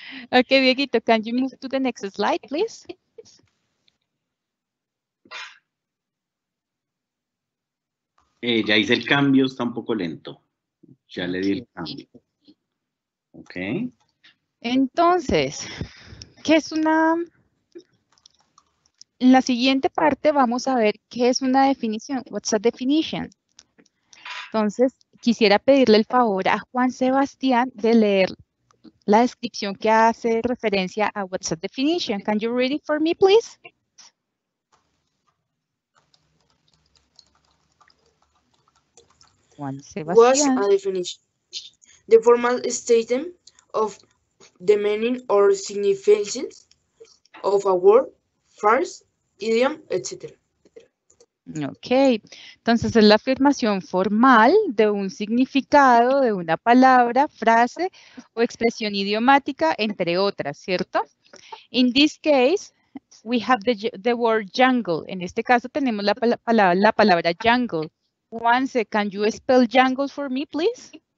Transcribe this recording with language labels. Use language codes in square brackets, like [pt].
[en] Okay, Dieguito, can you move to the next slide, please? [es] Ya hice el cambio, está un poco lento. Ya le di el cambio. Okay. Entonces, ¿qué es una...? En la siguiente parte vamos a ver qué es una definición. [en] What's a definition? [es] Entonces, quisiera pedirle el favor a Juan Sebastián de leer la descripción que hace referencia a [en] what's a definition. Can you read it for me, please? Juan Sebastián. What's a definition? The formal statement of the meaning or significance of a word, phrase, idiom, [es] etcétera. Ok, entonces es la afirmación formal de un significado, de una palabra, frase o expresión idiomática, entre otras, ¿cierto? [en] In this case, we have the word jungle. [es] En este caso tenemos la palabra jungle. [en] Juanse, can you spell jungle for me, please?